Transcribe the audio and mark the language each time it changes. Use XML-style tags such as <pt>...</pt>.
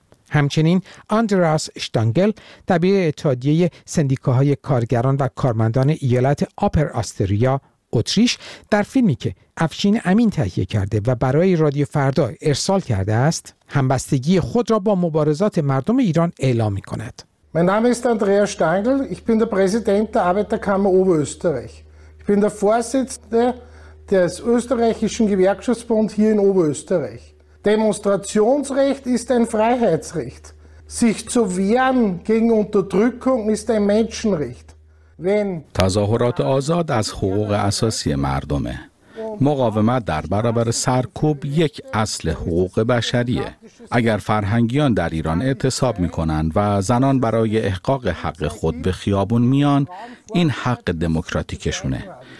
<fa>همچنین آندراس شتانگل، دبیر اتحادیه سندیکاهای کارگران و کارمندان ایالت آپر آستریا، اتریش، در فیلمی که افشین امین تهیه کرده و برای رادیو فردا ارسال کرده است، همبستگی خود را با مبارزات مردم ایران اعلام می‌کند.</fa> <de>Mein Name ist Andreas Stangl, ich bin der Präsident der Arbeiterkammer Oberösterreich. Ich bin der Vorsitzende des österreichischen Gewerkschaftsbund hier in Oberösterreich. Demonstrationsrecht ist ein Freiheitsrecht. Sich zu wehren gegen Unterdrückung ist ein Menschenrecht.</de> <fa>تظاهرات آزاد از حقوق اساسی مردمه. مقاومت در برابر سرکوب یک اصل حقوق بشریه. اگر فرهنگیان در ایران اعتصاب می‌کنند و زنان برای احقاق حق خود به خیابون میان، این حق دموکراتیکشونه.</fa>